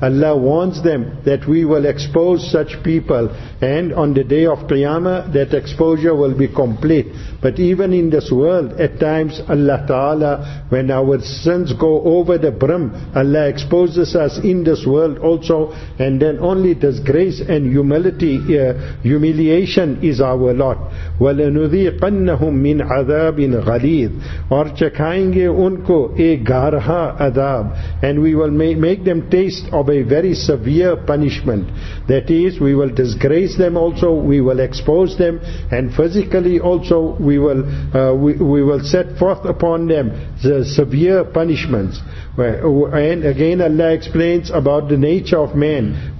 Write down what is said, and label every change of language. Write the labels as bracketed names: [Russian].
[English] Allah warns them that we will expose such people, and on the day of Qiyamah, that exposure will be complete. But even in this world, at times, Allah Ta'ala, when our sins go over the brim, Allah exposes us in this world also, and then only does grace and humiliation is our lot. [Arabic] وَلَنُذِيقَنَّهُمْ مِنْ عَذَابٍ غَلِيظٍ [Urdu] اور چکھائیں گے ان کو ایک گارہا عذاب. [English] And we will make them taste of a very severe punishment. That is, we will disgrace them also, we will expose them, and physically also we will set forth upon them the severe punishments. And again Allah explains about the nature of man.